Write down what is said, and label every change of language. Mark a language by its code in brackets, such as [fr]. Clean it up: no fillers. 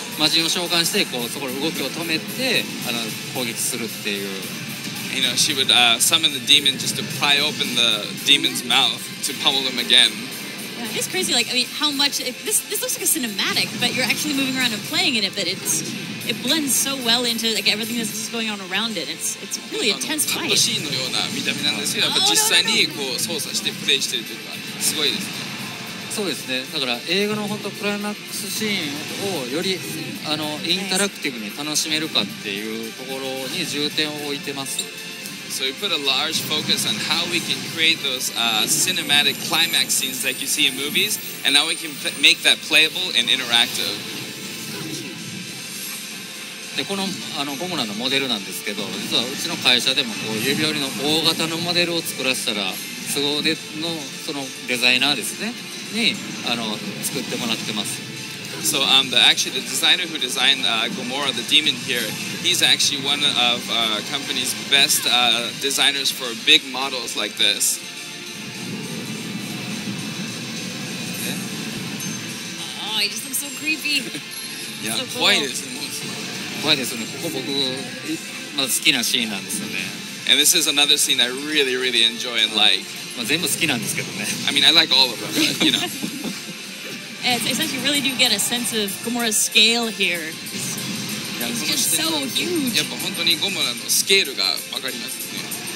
[ja] マジンを召喚して、こう、そこの動きを止めて、あの、攻撃するっていう。 [en] You know, she would summon the demon just to pry open the demon's mouth to pummel him again. Yeah, it's crazy. Like, I mean, how much... This looks like a cinematic, but you're actually moving around and playing in it, but it's... It blends so well into like everything that's just going on around it. It's really intense fight. [ja] カットシーンのような見た目なんですけど、やっぱ実際にこう操作してプレイしてるというのはすごいですね。そうですね。だから映画の本当クライマックスシーンをよりあのインタラクティブに楽しめるかっていうところに重点を置いてます。 [en] So we put a large focus on how we can create those cinematic climax scenes like you see in movies, and how we can make that playable and interactive. [ja] でこの、 あのゴムランのモデルなんですけど実はうちの会社でもこう指折りの大型のモデルを作らせたら都合で の、 そのデザイナーですねにあの作ってもらってます [en] So、actually the designer who designed、Gomorrah the demon here he's actually one of our company's best、designers for big models like this Oh, he just looks so creepy Yeah, so cool. [ja] 怖いですね怖いですね。ここ僕まず好きなシーンなんですよね。 [en] And this is another scene I really, really enjoy and like. [ja] まあ全部好きなんですけどね。 [en] I mean, I like all of them, but, you know. It's like you really do get a sense of Gomorrah's scale here. It's just so huge. [ja] やっぱ本当にゴモラのスケールがわかりますね。